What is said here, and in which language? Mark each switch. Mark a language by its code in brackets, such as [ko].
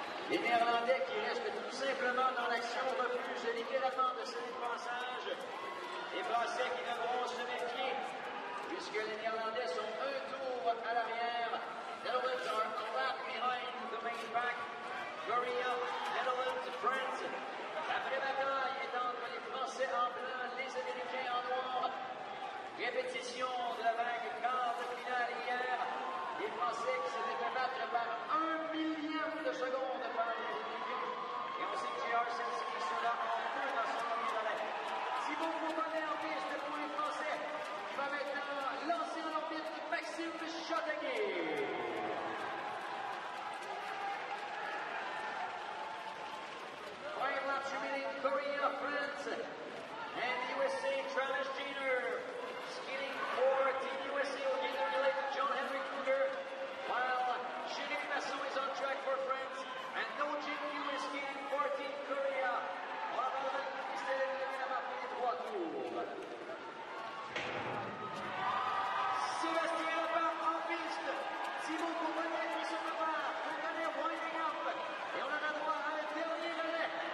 [fr] Les Néerlandais qui restent tout simplement dans l'action refusent littéralement de céder le passage. Les Français qui devront se méfier puisque les Néerlandais sont un tour à l'arrière. [en] Netherlands are a lap behind the main pack. Korea, Netherlands, France. [fr] La vraie bataille est entre les Français en blanc, les Américains en noir. Répétition de la vague quart de finale hier. Les Français qui se faisaient battre par un millième de seconde par les Américains. Et on sait que J.R. Sensky sera en feu dans son premier relais. Thibaut Fontanet en piste pour les Français. Il va maintenant lancer en orbite Maxime Chataguay. [en] Five laps remaining, Korea, France. And the USA, Travis Jeter. Skidding for Team USA, will get the relay to John Henry Cougar. While Shinik Masu is on track for France. And no Jing Yu is skidding for Team Korea. [fr] Bravo, c'est le dernier lap pour les trois tours. Sébastien Lapin en piste. Thibaut Fontanet qui se prépare. Fontanet [en] winding up. [fr] Et on en a droit à un dernier relais.